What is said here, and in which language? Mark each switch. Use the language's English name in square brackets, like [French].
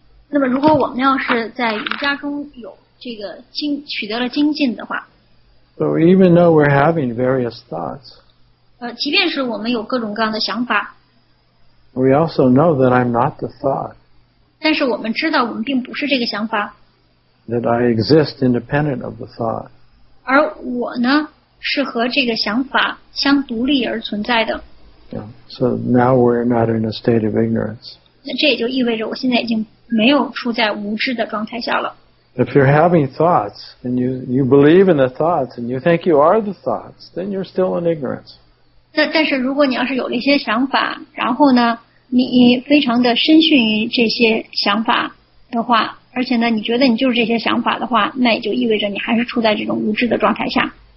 [Chinese] 那么如果我们要是在瑜伽中有这个取得了精进的话， [English] so even though we're having various thoughts, [Chinese] 即便是我们有各种各样的想法， [English] we also know that I'm not the thought. [Chinese] 但是我们知道我们并不是这个想法。 [English] That I exist independent of the thought. [Chinese] 而我呢，是和这个想法相独立而存在的。 [English] Yeah, so now we're not in a state of ignorance. [Chinese] 那这也就意味着我现在已经没有处在无知的状态下了。 [English] If you're having thoughts, and you believe in the thoughts, and you think you are the thoughts, then you're still in ignorance. [Chinese] 那但是如果你要是有了一些想法，然后呢，你非常的深信于这些想法的话，而且呢，你觉得你就是这些想法的话，那也就意味着你还是处在这种无知的状态下。